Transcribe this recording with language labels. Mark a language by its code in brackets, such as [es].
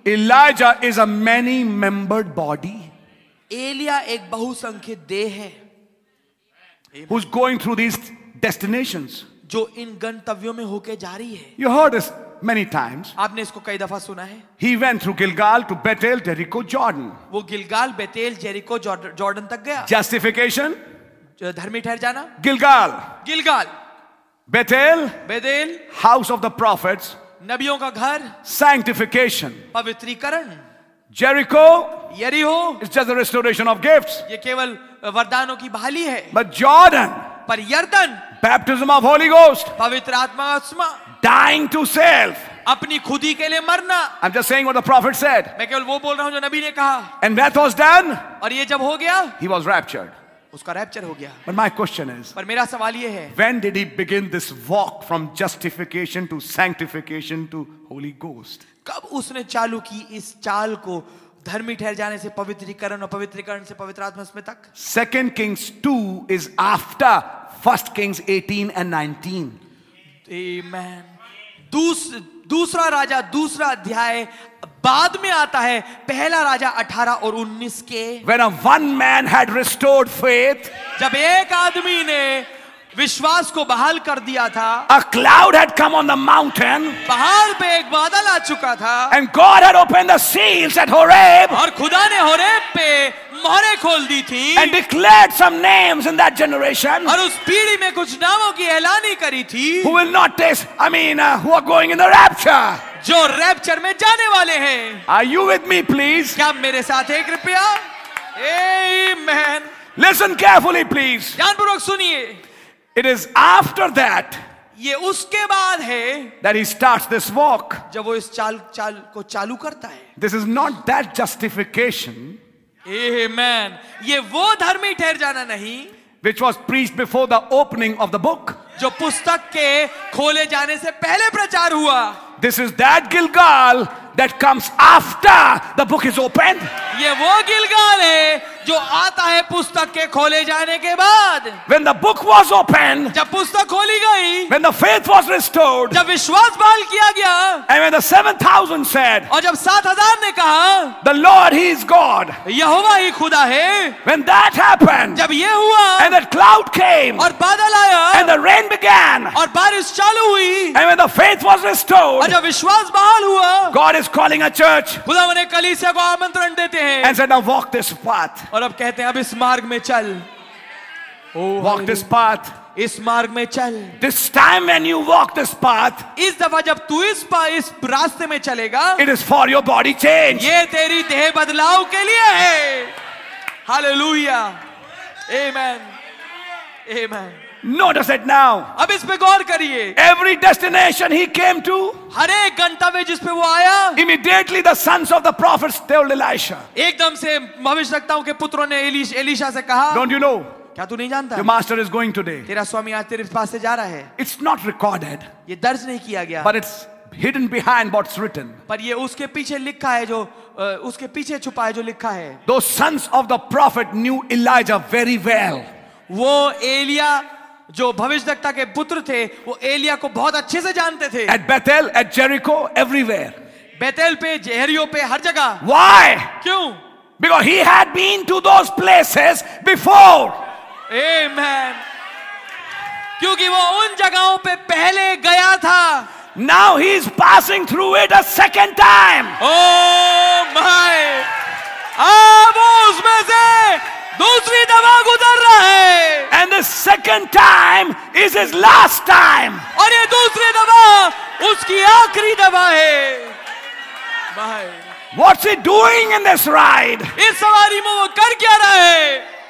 [en] Elijah is a many membered body. [hi] Elia एक बहुसंख्यक देह है. [en] Who's going through these destinations? [hi] जो इन गंतव्यों में होके जा रही है. [en] You heard this many times. [hi] आपने इसको कई दफा सुना है. [en] He went through Gilgal to Bethel, Jericho, Jordan. [hi] वो गिलगाल, बेतेल, जेरिको, जॉर्डन तक गया. [en] Justification? [hi] धर्मी ठहर जाना. [en] Gilgal. [hi] Gilgal. [en] Bethel? [hi] Bethel. [en] House of the prophets. [hi] नबियों का घर. [en] Sanctification. [hi] पवित्रीकरण. [en] Jericho? [hi] यरीहो. [en] It's just a restoration of gifts. [hi] ये केवल वरदानों की बहाली है. [en] But Jordan? [hi] पर यर्दन. [en] Baptism of Holy Ghost. [hi] पवित्र आत्मा स्मा. [en] Dying to self. [hi] अपनी खुदी के लिए मरना. [en] I'm just saying what the prophet said. [hi] मैं केवल वो बोल रहा हूँ जो नबी ने कहा. [en] And that was done. [hi] और ये जब हो गया. [en] He was raptured. [hi] उसका रैप्चर हो गया. [en] But my question is. [hi] पर मेरा सवाल ये है. [en] When did he begin this walk from justification to sanctification to Holy Ghost? [hi] कब उसने चालू की इस चाल को धर्मी ठहर जाने से पवित्रीकरण और पवित्रीकरण से पवित्र आत्मा स्मृति तक. [en] 2 Kings 2 is after 1 Kings 18 and 19. Amen. [hi] दूसरा राजा दूसरा अध्याय बाद में आता है पहला राजा 18 और 19 के. [en] When a one man had restored faith. [hi] जब एक आदमी ने विश्वास को बहाल कर दिया था. [en] A cloud had come on the mountain. [hi] पहाड़ पे एक बादल आ चुका था. [en] And God had opened the seals at Horeb. [hi] और खुदा ने होरेब पे मोहरें खोल दी थी. [en] And declared some names in that generation. [hi] और उस पीढ़ी में कुछ नामों की ऐलानी करी थी. [en] Who will not taste? Who are going in the rapture? [hi] जो रैप्चर में जाने वाले हैं. [en] Are you with me, please? [hi] क्या मेरे साथ है कृपया? Amen. [en] Listen carefully, please. [hi] ध्यानपूर्वक सुनिए. [en] It is after that [hi] ये उसके बाद है [en] that he starts this walk. [hi] जब वो इस चाल को चालू करता है. [en] This is not that justification. Amen. [hi] ये वो धर्मी ठहर जाना नहीं [en] which was preached before the opening of the book. [hi] जो पुस्तक के खोले जाने से पहले प्रचार हुआ. [en] This is that Gilgal that comes after the book is opened. [hi] ये वो गिलगाल है जो आता है पुस्तक के खोले जाने के बाद. [en] When the book was opened. [hi] जब पुस्तक खोली गई. [en] When the faith was restored. [hi] जब विश्वास बहाल किया गया. [en] And when the 7,000 said. [hi] और जब 7,000 ने कहा. [en] The Lord he is God. [hi] यहोवा ही खुदा है. [en] When that happened. [hi] जब ये हुआ. [en] And that cloud came. [hi] और बादल आया. [en] And the rain began. [hi] और बारिश चालू हुई. [en] And when the faith was restored. [hi] और जब विश्वास बहाल हुआ. [en] God is calling a church. [hi] खुदा उन्हें कलीसिया को आमंत्रण देते हैं. [en] And said now walk this path. [hi] और अब कहते हैं अब इस मार्ग में चल. [en] Walk this path. [hi] इस मार्ग में चल. [en] This time when you walk this path. [hi] इस दफा जब तू इस रास्ते में चलेगा. [en] It is for your body change. [hi] ये तेरी देह बदलाव के लिए है. Hallelujah. Amen. Amen. [en] Notice it now. [hi] अब इस पे गौर करिए. [en] Every destination he came to. [hi] हर एक गंतव्य जिस पे वो आया. [en] Immediately the sons of the prophets told Elisha. [hi] एकदम से भविष्यवक्ताओं के पुत्रों ने एलिशा से कहा. [en] Don't you know? [hi] क्या तू नहीं जानता? [en] Your master is going today. [hi] तेरा स्वामी आज तेरे पास से जा रहा है. [en] It's not recorded. [hi] ये दर्ज नहीं किया गया. [en] But it's hidden behind what's written. [hi] पर ये उसके पीछे लिखा है जो उसके पीछे छुपा है जो लिखा है. [en] Those sons of the prophet knew Elijah very well. [hi] वो एलिया जो भविष्यद्वक्ता के पुत्र थे वो एलिया को बहुत अच्छे से जानते थे. [en] At Bethel, at Jericho, everywhere. [hi] Bethel पे, जेरियो पे, हर जगह. [en] Why? [hi] क्यों? [en] Because he had been to those places before. Amen. [hi] क्योंकि वो उन जगहों पे पहले गया था. [en] Now he is passing through it a second time. Oh my! [hi] अब उसमें से दूसरी दफा गुजर रहा है. [en] And the second time is his last time. [hi] और ये दूसरी दफा उसकी आखिरी दफा है. [en] My. What's he doing in this ride? [hi] इस सवारी में वो कर क्या रहा है?